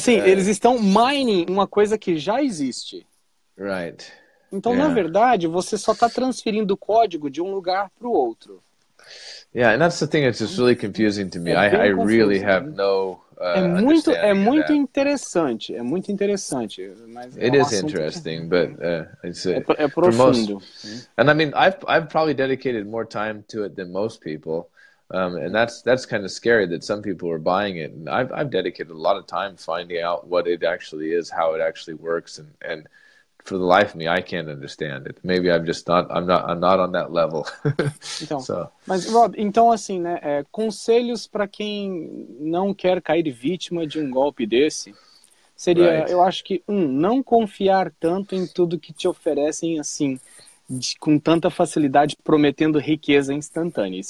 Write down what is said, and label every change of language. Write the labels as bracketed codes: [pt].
[pt] Sim, eles estão mining uma coisa que já existe. Right. Então, na verdade, você só está transferindo o código de um lugar para o outro. [en] Yeah, and that's the thing that's just really confusing to me. I really have no [pt] muito interessante. É muito interessante. Mas [en] it is interesting, but it's [pt] é profundo. [en] Most, and I mean, I've probably dedicated more time to it than most people. And that's kind of scary that some people are buying it. And I've dedicated a lot of time finding out what it actually is, how it actually works, and for the life of me, I can't understand it. Maybe I'm not on that level. [pt] Então, [en] so. [pt] Mas Rob, então assim, né, conselhos para quem não quer cair vítima de golpe desse, seria, eu acho que, não confiar tanto em tudo que te oferecem assim, com tanta facilidade, prometendo riqueza instantânea.